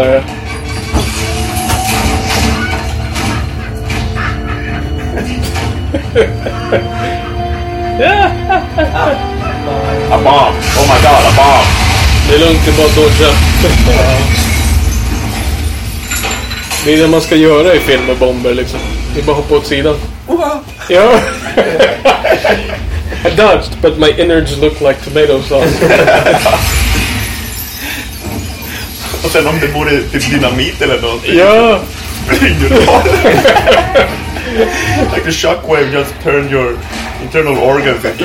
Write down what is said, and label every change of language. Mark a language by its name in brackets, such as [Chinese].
[English] A bomb. Oh my god, a bomb. [Swedish] Det är lugnt, det är bara dodgea. Det är det man ska göra i film med bomber liksom. Det är bara hoppa åt sidan. Ja. [English] I dodged, but my innards look like tomato sauce. [Swedish] Och sen om det borde typ dynamit eller något. Ja. [English] Like a shockwave just turned your internal organs into